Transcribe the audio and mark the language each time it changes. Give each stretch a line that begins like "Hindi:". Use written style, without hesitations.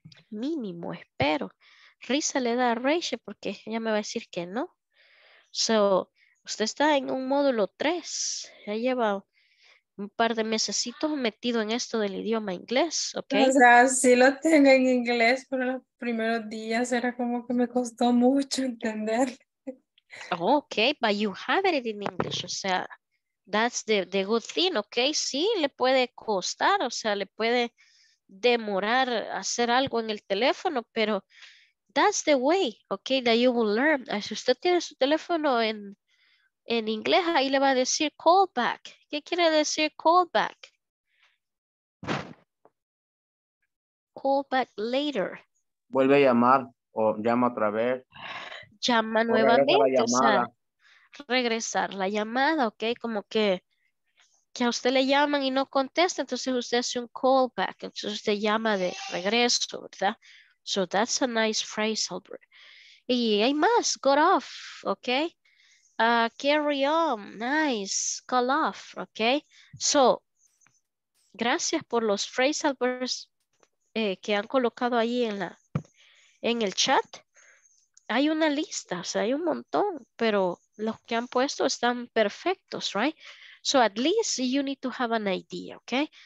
Spanish: Mínimo, espero. Risa le da a Rachel porque ella me va a decir que no. So, usted está en un módulo 3. Ya lleva un par de mesecitos metido en esto del idioma inglés, ¿ok? O sea, sí lo tengo en inglés, pero los primeros días era como que me costó mucho entender.
English: Ok, but you have it in English.
Spanish: O sea,
English: that's the good thing, ¿ok?
Spanish: Sí, le puede costar, o sea, le puede demorar hacer algo en el teléfono, pero...
English: That's the way, okay, that you will learn.
Spanish: Si usted tiene su teléfono en inglés, ahí le va a decir call back. ¿Qué quiere decir call back?
English: Call back later.
Spanish: Vuelve a llamar o llama otra vez. Llama nuevamente. O sea, regresar la llamada, okay, como que a usted le llaman y no contesta, entonces usted hace un call back. Entonces usted llama de regreso, ¿verdad?
English: So that's a nice phrase,
Spanish: Albert. Y hay más,
English: got off, okay? Carry on, nice, call off, okay?
Spanish: So, gracias por los phrase, Albert, que han colocado ahí en el chat. Hay una lista, o sea, hay un montón, pero los que han puesto están perfectos, right?
English: So at least you need to have an idea, okay?